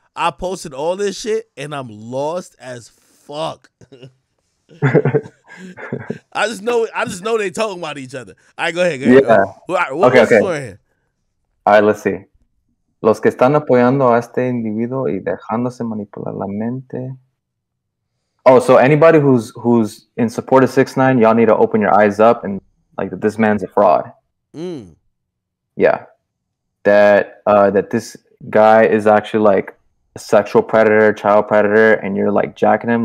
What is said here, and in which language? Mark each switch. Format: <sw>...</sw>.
<en>I posted all this shit and I'm lost as fuck. I just know they talking about each other. All right, go ahead. Let's see.</en> <es>Los que están apoyando a este individuo y dejándose manipular la mente.</es> <en>Oh, so anybody who's in support of 6ix9ine, y'all need to open your eyes up and like that this man's a fraud. Yeah, that this guy is actually like a sexual predator, child predator, and you're like jacking him.</en>